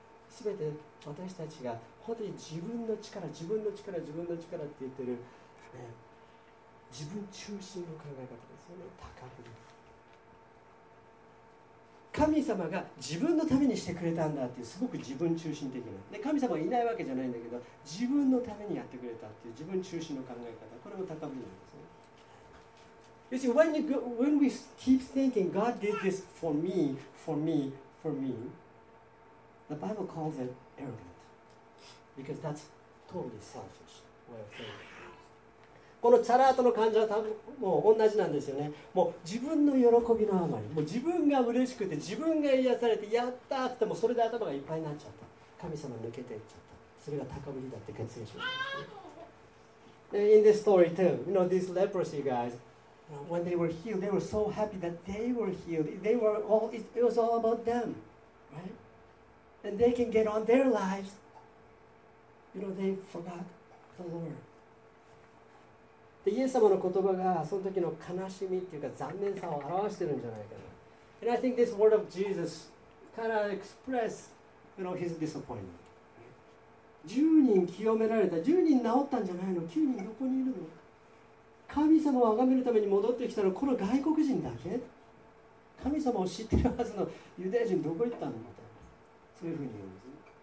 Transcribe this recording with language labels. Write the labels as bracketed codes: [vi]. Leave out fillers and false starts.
[ja] 全て私たちが本当に自分の力、自分の力、自分の力って言ってる、ね、自分中心の考え方ですよね。高ぶり。神様が自分のためにしてくれたんだっていう、すごく自分中心的な、で神様はいないわけじゃないんだけど、自分のためにやってくれたっていう自分中心の考え方、これも高ぶりなんですね。 [en] You see, when we keep thinking God did this for me, for me, for me, the Bible calls it arrogant, because that's totally selfish way of thinking. [ja] このチャラートの感じは多分もう同じなんですよね。もう自分の喜びのあまり、もう自分が嬉しくて、自分が癒されて、やったーって言っても、それで頭がいっぱいになっちゃった。神様抜けていっちゃった。それが高ぶりだって決意します、ね。 [en] In this story too, you know, these leprosy guys, when they were healed, they were so happy that they were healed. They were all, it was all about them, right? And they can get on their lives. You know, they forgot the Lord. [ja] でイエス様の言葉がその時の悲しみっていうか残念さを表してるんじゃないかな。 [en] And I think this word of Jesus kind of express, you know, his disappointment. [ja] 10人清められた、10人治ったんじゃないの、9人どこにいるの、神様を崇めるために戻ってきたのこの外国人だけ、神様を知ってるはずのユダヤ人どこ行ったの、みたいな、そういうふうに言うんです。